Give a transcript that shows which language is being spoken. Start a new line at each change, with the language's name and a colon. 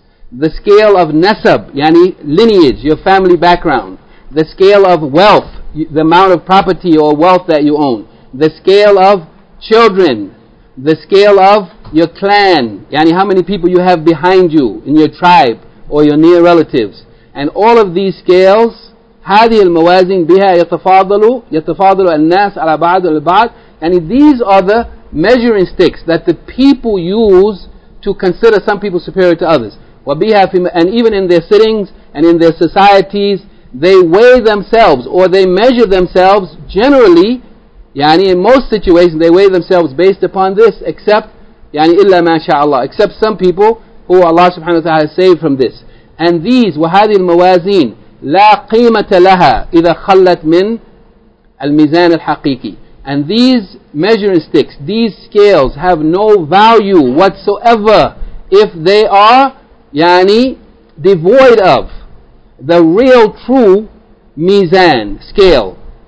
English: The scale of nasab, yani lineage, your family background. The scale of wealth, the amount of property or wealth that you own. The scale of children. The scale of your clan, yani how many people you have behind you in your tribe or your near relatives. And all of these scales,
Arabic: هذه الموازين بها يتفاضلوا الناس على بعض البعض.
English: And these are the measuring sticks that the people use to consider some people superior to others. And even in their sittings and in their societies, they weigh themselves or they measure themselves generally, yani in most situations they weigh themselves based upon this, except yani illa mashaAllah, except some people who Allah subhanahu wa ta'ala has saved from this. And these
Arabic: وهذه الموازين لا قيمة لها إذا خلت من الميزان الحقيقي.
English: And these measuring sticks, these scales have no value whatsoever if they are yani devoid of the real true mizan scale.